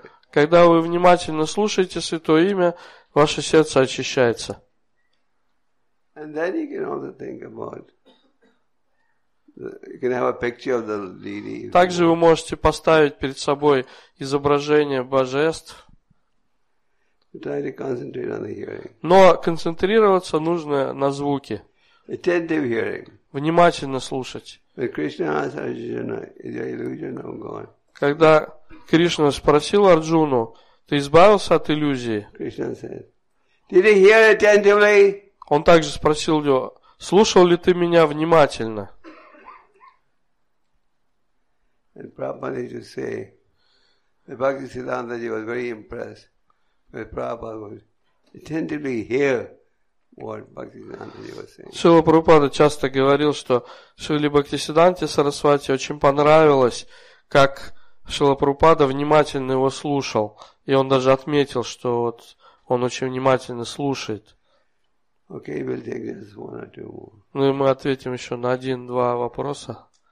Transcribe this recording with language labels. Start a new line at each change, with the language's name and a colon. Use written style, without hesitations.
Russian: Когда вы внимательно слушаете святое имя, ваше сердце очищается.
English: And then you can also think about. You can have a picture of the deity.
Russian: Также вы можете поставить перед собой изображение божеств.
English: Try to concentrate on the hearing.
Russian: Но концентрироваться нужно на звуке.
English: Attentive hearing.
Russian: Внимательно слушать.
English: When Krishna asked Arjuna, "Is your illusion now gone?"
Russian: Когда Кришна спросил Арджуну, "Ты избавился от иллюзии?"
English: Krishna said, "Did you hear attentively?"
Russian: Он также спросил его, "Слушал ли ты меня внимательно?"
English: And Prabhupada used to say, The Bhakti Siddhanta ji was very impressed with Prabhupada, would attentively hear what Bhakti Siddhanta ji was saying.
Russian: Srila Prabhupada часто говорил, что Шрили Бхакти Сиддханте Сарасвати очень понравилось, как Шрила Прабхупада внимательно его слушал, и он даже отметил, что вот он очень внимательно слушает.
English: Okay, we'll take this one or two more.
Russian: Ну и мы ответим еще на 1-2 вопроса.